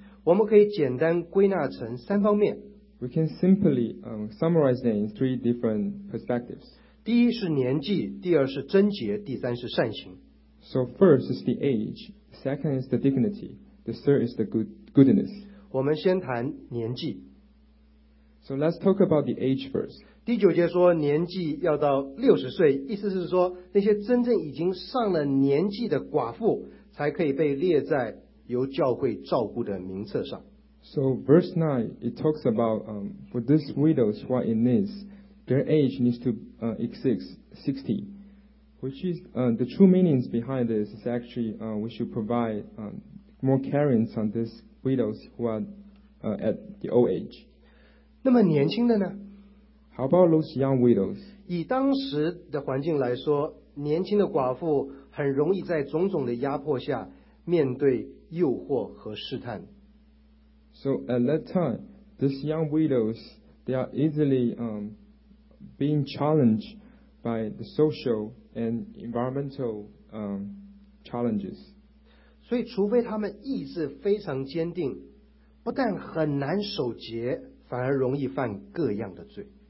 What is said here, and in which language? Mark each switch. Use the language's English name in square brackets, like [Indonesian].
[Chinese] 我们可以简单归纳成三方面。 [English] We can simply summarize them in three different perspectives. [Chinese] 第一是年纪，第二是贞洁，第三是善行。 [English] So first is the age, second is the dignity, the third is the goodness. [Chinese] 我们先谈年纪。 [English] So let's talk about the age first. [Chinese] 第九节说年纪要到六十岁，意思是说那些真正已经上了年纪的寡妇才可以被列在由教会照顾的名册上。 [English] So verse 9, it talks about for these widows who are in this, their age needs to exceed 60. Which is the true meanings behind this is actually we should provide more caring on these widows who are at the old age. [Chinese] 那么年轻的呢? [English] How about those young widows? [Chinese] 以当时的环境来说, 年轻的寡妇很容易在种种的压迫下面对诱惑和试探。 [English] So at that time, these young widows, they are easily being challenged by the social and environmental challenges. [Chinese] 所以除非他们意志非常坚定, 不但很难守节, 反而容易犯各样的罪。